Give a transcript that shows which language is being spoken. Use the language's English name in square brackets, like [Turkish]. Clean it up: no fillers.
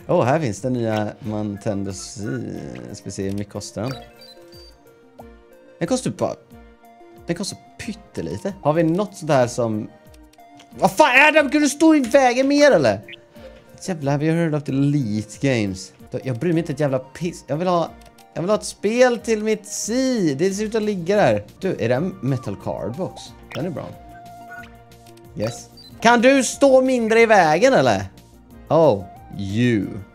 [Swedish] Här finns den nya Mantendo Z. Speciellt, hur kostar den? Den kostar typ bara... Den kostar pyttelite. Har vi något sånt här som... Vad fan är det? Kunde stå i vägen mer, eller? Jävlar, [English] have you heard of the Elite Games? [Swedish] Jag bryr mig inte ett jävla piss. Jag vill ha ett spel till mitt C. Det ser ut att ligga där. Du, är det en [English] metal card box? [Swedish] Den är bra. [English] Yes. [Swedish] Kan du stå mindre i vägen eller? You.